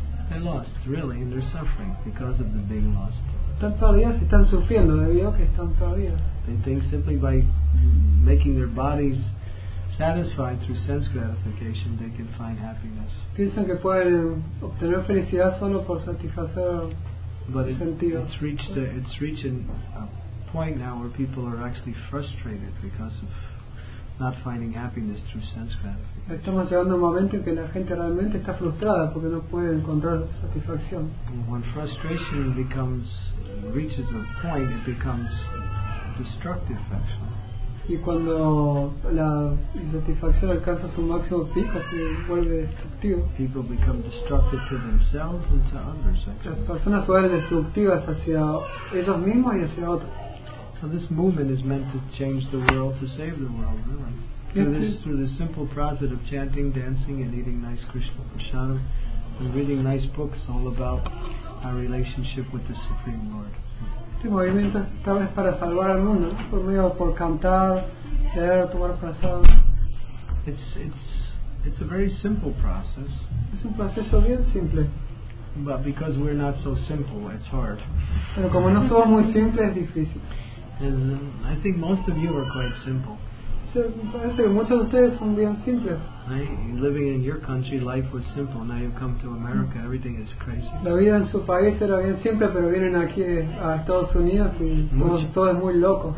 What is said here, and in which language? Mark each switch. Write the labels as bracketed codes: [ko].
[en] They're lost, really, and they're suffering because of the being lost. [es] Están perdidas, están sufriendo debido a que están perdidas. [en] They think simply by making their bodies satisfied through sense gratification, they can find happiness. [es] Piensan que pueden obtener felicidad solo por satisfacer. [en] But it's reached a point now where people are actually frustrated because of not finding happiness through sense gratification. [es] Estamos llegando a un momento en que la gente realmente está frustrada porque no puede encontrar satisfacción. [en] When frustration reaches a point, it becomes destructive actually. [es] Y cuando la insatisfacción alcanza su máximo pico, se vuelve destructivo. [en] People become destructive to themselves and to others. [es] Las personas vuelven destructivas hacia ellos mismos y hacia otros. [en] So this movement is meant to change the world, to save the world, really. Through the simple process of chanting, dancing, and eating nice Krishna prasadam, and reading nice books all about our relationship with the Supreme Lord. [es] Este movimiento tal vez para salvar al mundo, por medio por cantar, leer, tomar prasadam. [en] It's a very simple process. [es] Es un proceso bien simple. [en] But because we're not so simple, it's hard. [es] Pero como no somos muy simples, es difícil. [en] And I think most of you are quite simple. I, living in your country, life was simple. Now you've come to America, everything is crazy. [es] La vida en su país era bien simple, pero vienen aquí a Estados Unidos y todo es muy loco.